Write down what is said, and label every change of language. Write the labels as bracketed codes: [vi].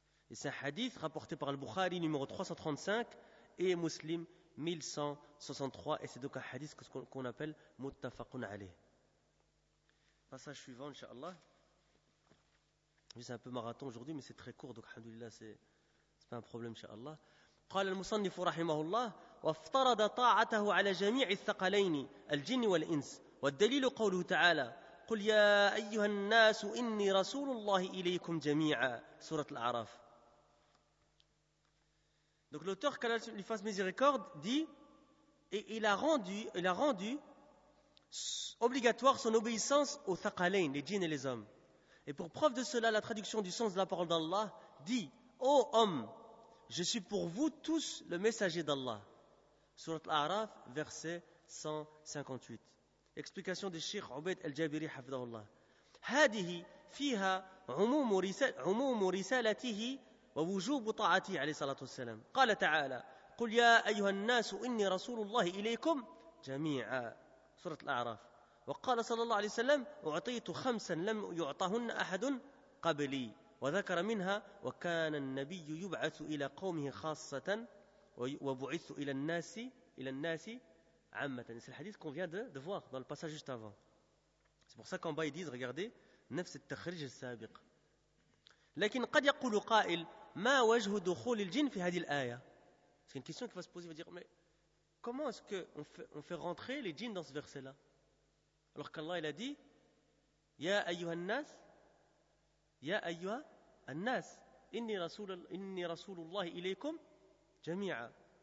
[fr] Et c'est un hadith rapporté par Al-Bukhari, numéro 335, et Muslim, 1163, et c'est donc un hadith qu'on appelle Muttafaqun alayh. Passage suivant, Inch'Allah. C'est un peu marathon aujourd'hui, mais c'est très court, donc Alhamdulillah, c'est pas un problème, Inch'Allah. [ar] قال المصنف رحمه الله وافترض طاعته على جميع الثقلين الجن والإنس والدليل قوله تعالى قل يا أيها الناس إني رسول الله إليكم جميعا سورة الأعراف. [fr] Donc l'auteur qu'a lui fasse miséricorde dit et il a rendu obligatoire son obéissance aux thaqalain, les djinns et les hommes. Et pour preuve de cela, la traduction du sens de la parole d'Allah dit ô homme, je suis pour vous tous le messager d'Allah. Surat Al-A'raf, verset 158. Explication de Cheikh Ubayd al-Jabiri, hafidahullah. [ar] Hadihi fiha umumu risalatihi wa wujubu ta'atihi, alayhi salatu wassalam. Qala ta'ala, قُلْ يَا أَيُّهَا النَّاسُ إِنِّي رَسُولُ اللَّهِ إِلَيْكُمْ جَمِيعًا. Surat Al-A'raf. وَقَالَ صَلَى اللَّهُ عَلَيْهِ وَسَلَّمْ أُعْطَيْتُ خَمْسًا لَمْ يُعْطَهُنَّ أَحَدٌ قَبْلِي وذكر منها وكان النبي يبعث إلى قومه خاصة وبعث إلى الناس عامة. [fr] C'est le hadith qu'on vient de voir dans le passage juste avant. C'est pour ça qu'en bas ils disent, regardez, [ar] نفس التخريج السابق. لكن قد يقول قائل ما وجه دخول الجن في هذه الآية. [fr] C'est une question qui va se poser, va dire mais comment est-ce que on fait rentrer les djinns dans ce verset là alors qu'Allah il a dit [ar] يا أيها الناس يا أيها الناس إني رسول الله إليكم جميعا.